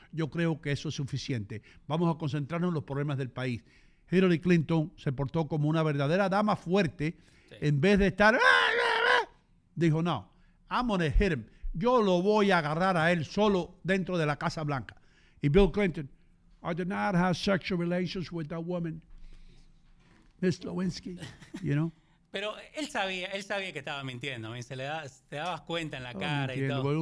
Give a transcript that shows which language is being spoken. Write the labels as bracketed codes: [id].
[es] Yo creo que eso es suficiente. Vamos a concentrarnos en los problemas del país. Hillary Clinton se portó como una verdadera dama fuerte. Sí. En vez de estar, dijo, no, [en] I'm gonna hit him. [es] Yo lo voy a agarrar a él solo dentro de la Casa Blanca. [en] Y Bill Clinton, I did not have sexual relations with that woman, Miss Lewinsky, you know. [es] Pero él sabía que estaba mintiendo. Te dabas cuenta en la cara y todo.